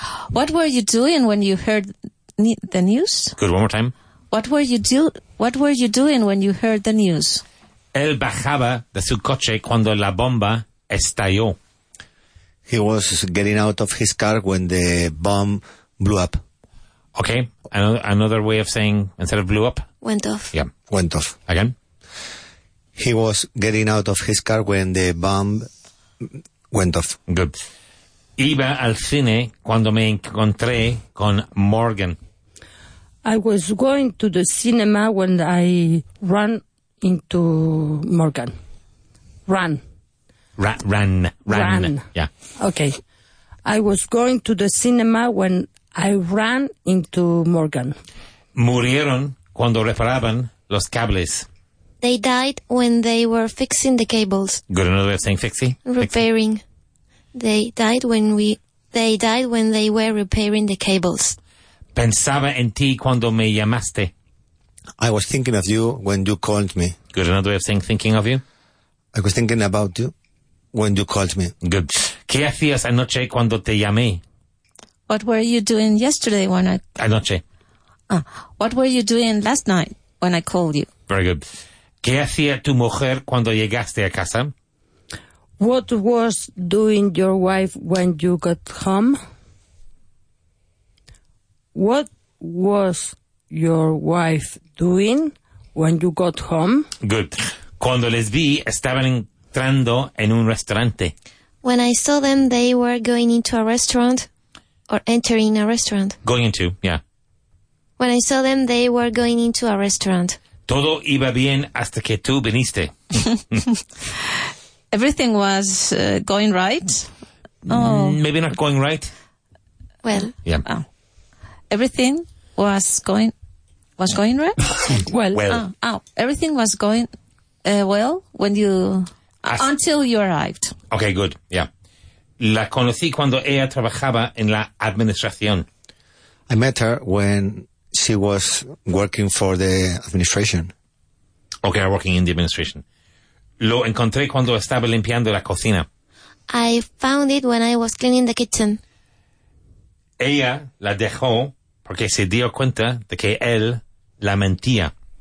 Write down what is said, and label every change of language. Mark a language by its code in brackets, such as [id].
[en] What were you doing when you heard the news? Good, one more time. What were you doing when you heard the news? [es] Él bajaba de su coche cuando la bomba estalló. [en] He was getting out of his car when the bomb blew up. Okay, another way of saying, instead of blew up? Went off. Yeah. Went off. Again? He was getting out of his car when the bomb went off. Good. [es] Iba al cine cuando me encontré con Morgan. [en] I was going to the cinema when I ran into Morgan. Run. Run. Yeah. Okay. I was going to the cinema when I ran into Morgan. [es] Murieron cuando reparaban los cables. [en] They died when they were fixing the cables. Good another way of saying fixing. Repairing. They died when they were repairing the cables. [es] Pensaba en ti cuando me llamaste. [en] I was thinking of you when you called me. Good another way of saying thinking of you. I was thinking about you when you called me. Good. [es] ¿Qué hacías anoche cuando te llamé? [en] What were you doing yesterday when I... [es] Anoche. [en] What were you doing last night when I called you? Very good. [es] ¿Qué hacía tu mujer cuando llegaste a casa? [en] What was doing your wife when you got home? What was your wife doing when you got home? Good. [es] Cuando les vi, estaban entrando en un restaurante. [en] When I saw them, they were going into a restaurant or entering a restaurant. Going into, yeah. When I saw them, they were going into a restaurant. Todo iba bien hasta que tú viniste. Everything was going right. Maybe not going right. Well. Yeah. Everything was going right. Well. Everything was going well when you until you arrived. Okay, good. Yeah. La conocí cuando ella trabajaba en la administración. I met her when she was working for the administration. Okay, working in the administration. [es] Lo encontré cuando estaba limpiando la cocina. [en] I found it when I was cleaning the kitchen. [es] Ella la dejó porque se dio cuenta de que él la mentía.